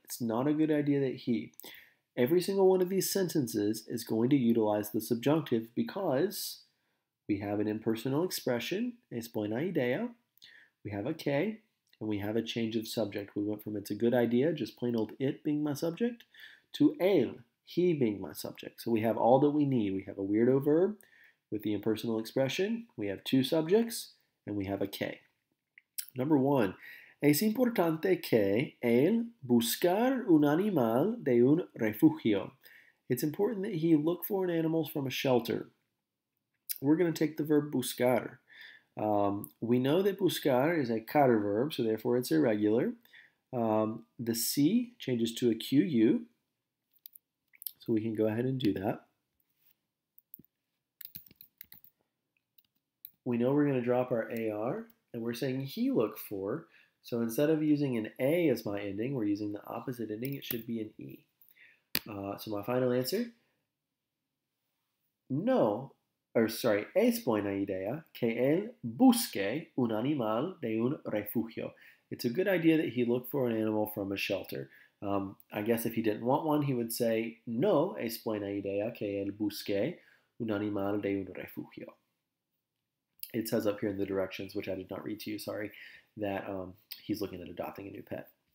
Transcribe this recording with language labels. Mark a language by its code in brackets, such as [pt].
[en] It's not a good idea that he. Every single one of these sentences is going to utilize the subjunctive because we have an impersonal expression, [es] es buena idea, [en] we have a que, and we have a change of subject. We went from it's a good idea, just plain old it being my subject, to él, he being my subject. So we have all that we need. We have a weirdo verb with the impersonal expression, we have two subjects, and we have a que. Number one, [es] es importante que él buscar un animal de un refugio. [en] It's important that he look for an animal from a shelter. We're going to take the verb buscar. We know that buscar is a car verb, so therefore it's irregular. The C changes to a QU, so we can go ahead and do that. We know we're going to drop our AR, and we're saying he look for. So instead of using an A as my ending, we're using the opposite ending. It should be an E. So my final answer, no. [es] Es buena idea que él busque un animal de un refugio. [en] It's a good idea that he look for an animal from a shelter. I guess if he didn't want one, he would say, no, [es] es buena idea que él busque un animal de un refugio. [en] It says up here in the directions, which I did not read to you, sorry, that he's looking at adopting a new pet.